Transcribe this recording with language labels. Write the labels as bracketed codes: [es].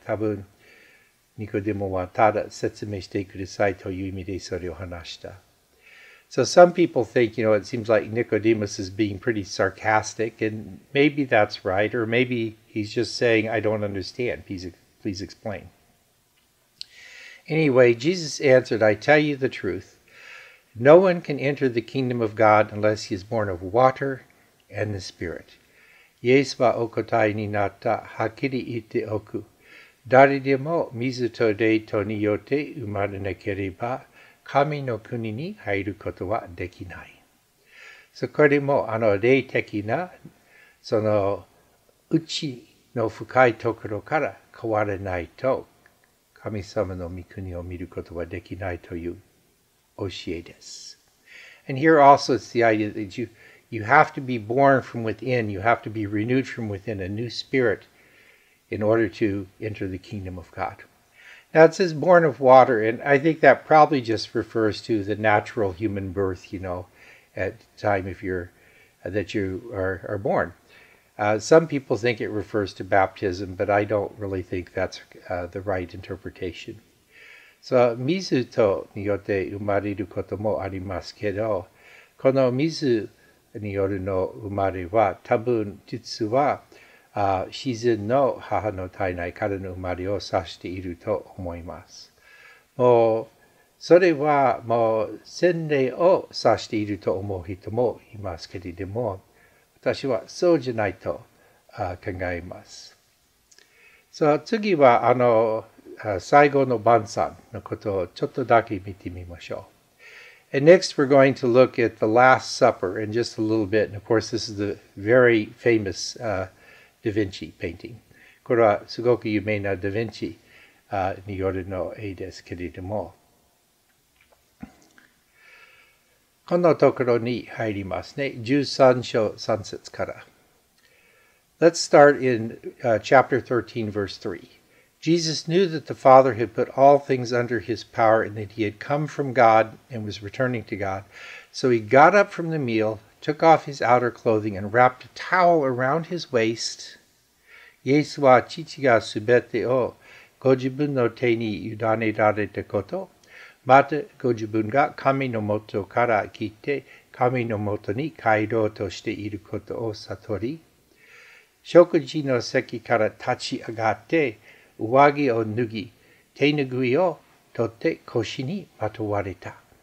[ja] 多分、ニコデモはただ説明してくださいという意味でそれを話した。 [en] So some people think, you know, it seems like Nicodemus is being pretty sarcastic, and maybe that's right, or maybe he's just saying, I don't understand, please explain. Anyway, Jesus answered, I tell you the truth. No one can enter the kingdom of God unless he is born of water and the Spirit. [ja] イエスはお答えになった。はっきり言っておく。誰でも水と霊とによって生まれなければ、神の国に入ることはできない。そこでも、あの霊的な、その、内の深いところから変わらないと、神様の御国を見ることはできないという教えです。 [en] And here also is the idea that You have to be born from within. You have to be renewed from within, a new spirit, in order to enter the kingdom of God. Now it says born of water, and I think that probably just refers to the natural human birth, you know, at the time if you're, that you are born. Some people think it refers to baptism, but I don't really think that's the right interpretation. [ja] So, 水とによって生まれることもありますけど、この水によるの生まれは多分実は自然の母の体内からの生まれを指していると思います。もうそれはもう洗礼を指していると思う人もいますけれども、私はそうじゃないと考えます。さあ次はあの最後の晩餐のことをちょっとだけ見てみましょう。 [en] And next, we're going to look at the Last Supper in just a little bit. And of course, this is the very famous Da Vinci painting. [ja] これはすごく有名なダ・ヴィンチによるの絵ですけれども。このところに入りますね。 13章3節から。 [en] Let's start in chapter 13, verse 3. Jesus knew that the Father had put all things under his power and that he had come from God and was returning to God. So he got up from the meal, took off his outer clothing, and wrapped a towel around his waist. [ja] イエスは父がすべてをご自分の手に委ねられたこと。またご自分が神のもとから来て神のもとに帰ろうとしていることを悟り。食事の席から立ち上がって、上着を脱ぎ、手ぬぐいを取って腰にまとわれた。